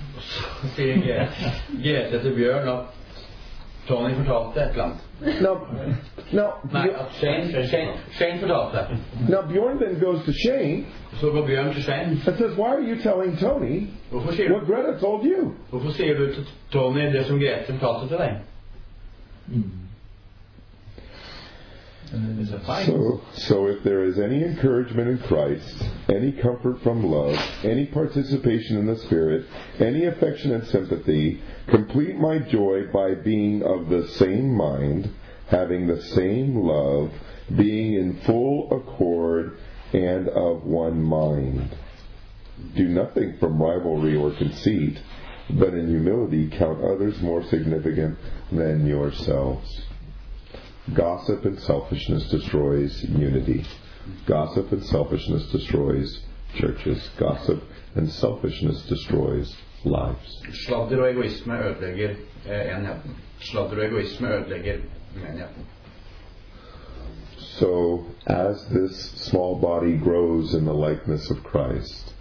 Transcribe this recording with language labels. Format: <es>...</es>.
<no>Så sier Greta til Bjorn, at Tony fortalte et eller annet. Shane fortalte det.</no> <en>Now Bjorn then goes to Shane.</en> <no>Så går Bjorn til Shane.</no> <en>And says, why are you telling Tony what Greta told you?</en> <no>Hvorfor sier du til Tony det som Greta fortalte til deg?</no> <en>So if there is any encouragement in Christ, any comfort from love, any participation in the Spirit, any affection and sympathy, complete my joy by being of the same mind, having the same love, being in full accord, and of one mind. Do nothing from rivalry or conceit, but in humility count others more significant than yourselves. Gossip and selfishness destroys unity. Gossip and selfishness destroys churches. Gossip and selfishness destroys lives.</en> <no>Sladder og egoisme ødelegger enheten. Sladder og egoisme ødelegger menigheten.</no> <en>So as this small body grows in the likeness of Christ.</en>